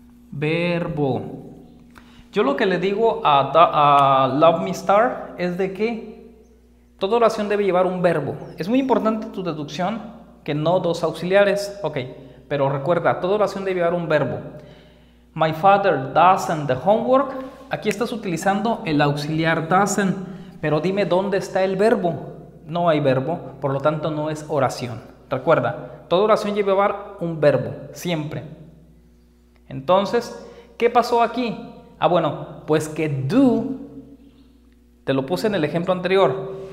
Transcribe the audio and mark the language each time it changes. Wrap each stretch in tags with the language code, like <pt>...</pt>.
<es>Verbo. Yo lo que le digo a Love Me Star es de que toda oración debe llevar un verbo. Es muy importante tu deducción que no dos auxiliares. Ok, pero recuerda, toda oración debe llevar un verbo.</es> <en>My father doesn't the homework.</en> <es>Aquí estás utilizando el auxiliar doesn't, pero dime dónde está el verbo. No hay verbo, por lo tanto no es oración. Recuerda, toda oración debe llevar un verbo, siempre. Entonces, ¿qué pasó aquí? Ah, bueno, pues que do, te lo puse en el ejemplo anterior.</es>